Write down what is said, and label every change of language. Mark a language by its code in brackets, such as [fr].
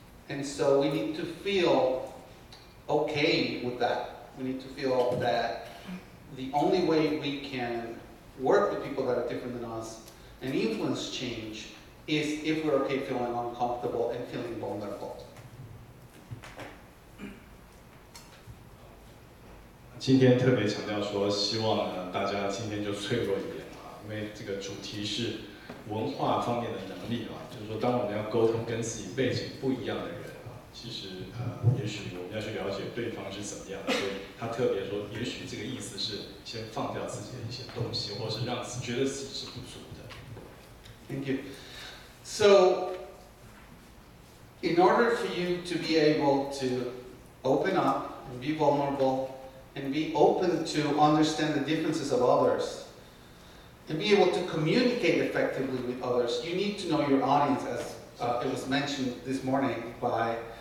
[en] And so we need to feel okay with that. We need to feel that the only way we can work with people that are different than us and influence change is if we're okay feeling uncomfortable and feeling vulnerable. [zh] 今天特别强调说，希望呢大家今天就脆弱一点啊，因为这个主题是文化方面的能力啊，就是说当我们要沟通跟自己背景不一样的人。其实，也许我们要去了解对方是怎么样的，所以他特别说，也许这个意思是先放掉自己的一些东西，或是让自己觉得自己是不足的。 [en] Thank you. So, in order for you to be able to open up and be vulnerable and be open to understand the differences of others and be able to communicate effectively with others, you need to know your audience, as it was mentioned this morning by.